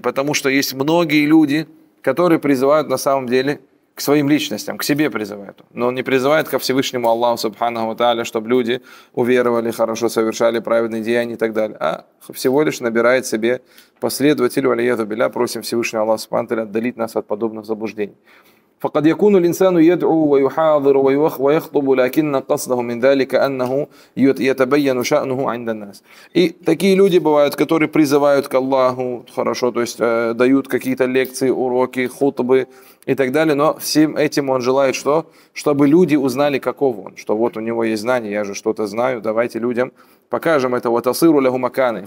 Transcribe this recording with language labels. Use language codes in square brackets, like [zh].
[ru] Потому что есть многие люди, которые призывают на самом деле к своим личностям, к себе призывают. Но он не призывает ко Всевышнему Аллаху Субханаху Тааля, чтобы люди уверовали, хорошо совершали праведные деяния и так далее. А всего лишь набирает себе последователей, алейхи вассалям, просим Всевышнего Аллаха Субханаху Тааля отдалить нас от подобных заблуждений. [ar] فقد يكون الإنسان يدعو ويحاضر ويوخ ويخطب لكن قصده من ذلك أنه يتبين شأنه عند الناس. [ru] И такие люди бывают, которые призывают к Аллаху, хорошо, то есть дают какие-то лекции, уроки, хутбы и так далее, но всем этим он желает что? Чтобы люди узнали, каков он, что вот у него есть знания, я же что-то знаю, давайте людям покажем это. [ar] وَتَصِيرُ لَهُ مَكَانًا.